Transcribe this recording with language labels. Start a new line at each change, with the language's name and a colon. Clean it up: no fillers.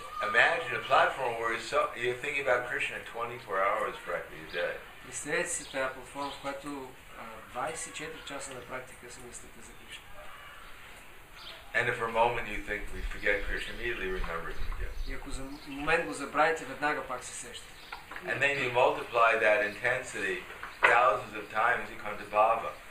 English: Imagine a platform where you're thinking about Krishna 24 hours practically a day.
Bulgarian: Представете си тази платформа, в която 24 часа на практика се мислите за Кришна.
English: And if for a moment you think we forget Krishna, immediately remember him again.
Bulgarian: И ако за момент го забравите, веднага пак се сещате.
English: And then you multiply that intensity thousands of times, you come to Bhava.